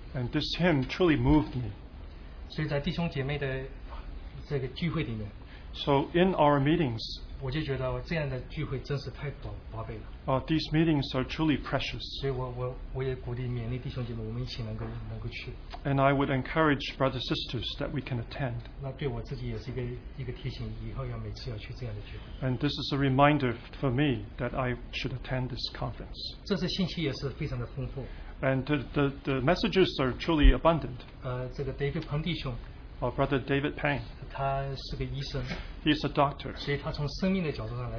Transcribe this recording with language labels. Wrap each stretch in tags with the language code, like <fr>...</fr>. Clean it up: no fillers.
<en>And this hymn truly moved me.</en> <zh>所以在弟兄姐妹的这个聚会里面,</zh> <en>so in our meetings,</en> <zh>我就觉得这样的聚会真是太宝贝了。</zh> <en>These meetings are truly precious.</en> <zh>所以我也鼓励勉励弟兄姐妹，我们一起能够去。</zh> <en>And I would encourage brothers and sisters that we can attend.</en> <zh>那对我自己也是一个提醒，以后要每次要去这样的聚会。</zh> <en>And this is a reminder for me that I should attend this conference.</en> <zh>这次信息也是非常的丰富。</zh> <en>And the messages are truly abundant.</en> <zh>这个David彭弟兄。</zh> <en>Our brother David Pang. He is a doctor.</en> <zh>所以他从生命的角度上来,</zh>